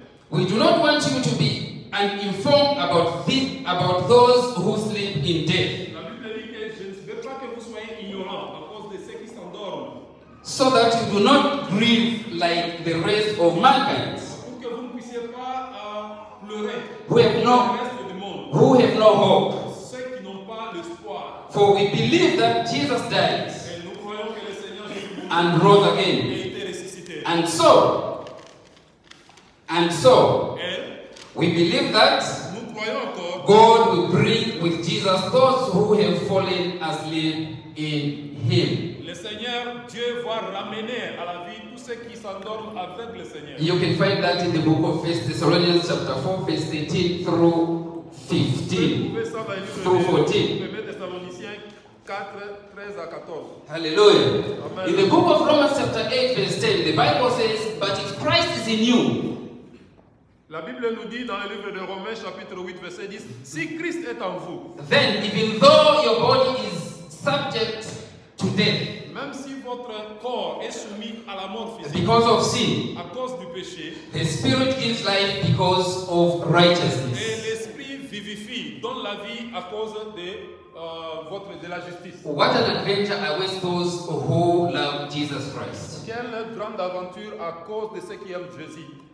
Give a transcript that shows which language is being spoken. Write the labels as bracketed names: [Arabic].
[English] We do not want you to be uninformed about those who sleep in death. [French] La Bible dit que je ne veux pas que vous soyez ignorants à cause de ceux qui s'endorment. [English] So that you do not grieve like the rest of mankind. [French] Pour que vous ne puissiez pas pleurer. [English] Who have no hope. [French] Ceux qui n'ont pas d'espoir. [English] For we believe that Jesus died. [French] Et nous croyons que le Seigneur est mort. [English] And rose again. [French] Et il était ressuscité. [English] And so, we believe that God will bring with Jesus those who have fallen asleep in Him. [French] Le Seigneur Dieu va ramener à la vie tous ceux qui s'endorment avec le Seigneur. [English] You can find that in the book of 1 Thessalonians chapter 4, verse 13 through 15, through 14. [French] 1 Thessaloniciens 4, 13 à 14. Hallelujah. Amen. [English] In the book of Romans chapter 8, verse 10, the Bible says, "But if Christ is in you." [French] La Bible nous dit dans le livre de Romains, chapitre 8, verset 10, si Christ est en vous, [English] then, even though your body is subject to death, [French] même si votre corps est soumis à la mort physique, [English] because of sin, [French] à cause du péché, [English] the spirit gives life because of righteousness. [French] Et l'esprit vivifie, donne la vie à cause de la justice. [English] What an adventure awaits those who love Jesus Christ. [French] Quelle grande aventure à cause de ceux qui aiment Jésus.